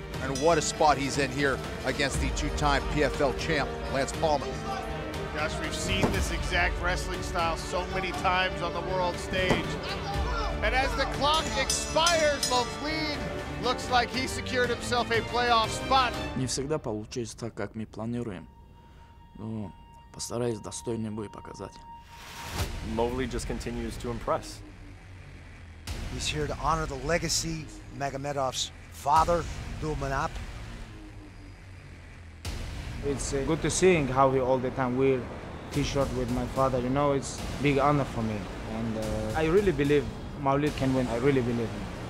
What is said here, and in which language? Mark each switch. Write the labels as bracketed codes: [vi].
[en] And what a spot he's in here against the two-time PFL champ, Lance Palmer. Gosh, we've seen this exact wrestling style so many times on the world stage. And as the clock expires, Movlid looks like he secured himself a playoff spot. [ru] Не всегда получается так, как мы планируем. Но постараюсь достойный бой показать. [en] Movlid just continues to impress. He's here to honor the legacy Magomedov's father, Dulmanap. It's good to see how he all the time wear t-shirt with my father. You know, it's big honor for me. And I really believe Movlid can win. I really believe him.